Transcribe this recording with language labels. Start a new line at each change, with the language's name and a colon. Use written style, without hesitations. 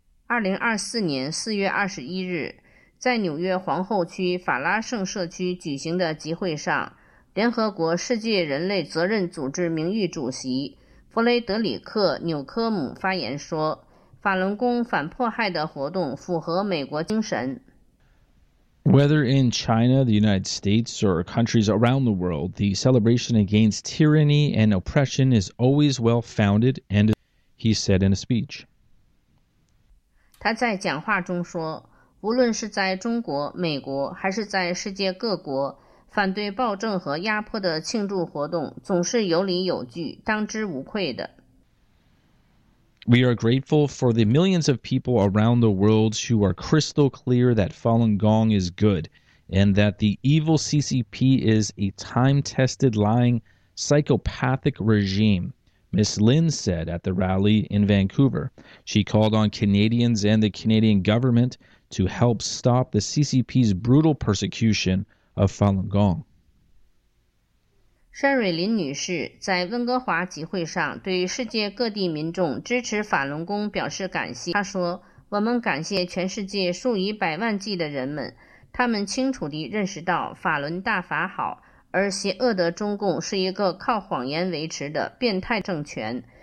Chinese: 2024年4月21日，在纽约皇后区法拉盛社区举行的集会上，联合国世界人类责任组织名誉主席弗雷德里克·纽科姆发言说，法轮功反迫害的活动符合美国精神。
English: Whether in China, the United States, or countries around the world, the celebration against tyranny and oppression is always well-founded, and he said in a speech.
Chinese: 他在讲话中说，无论是在中国、美国，还是在世界各国，反对暴政和压迫的庆祝活动总是有理有据、当之无愧的。
English: We are grateful for the millions of people around the world who are crystal clear that Falun Gong is good and that the evil CCP is a time-tested, lying, psychopathic regime, Ms. Lin said at the rally in Vancouver. She called on Canadians and the Canadian government to help stop the CCP's brutal persecution of Falun Gong.
Chinese: Sherry 林女士在温哥华集会上对世界各地民众支持法轮功表示感谢。她说，我们感谢全世界数以百万计的人们，他们清楚地认识到法轮大法好，而邪恶的中共是一个靠谎言维持的变态政权。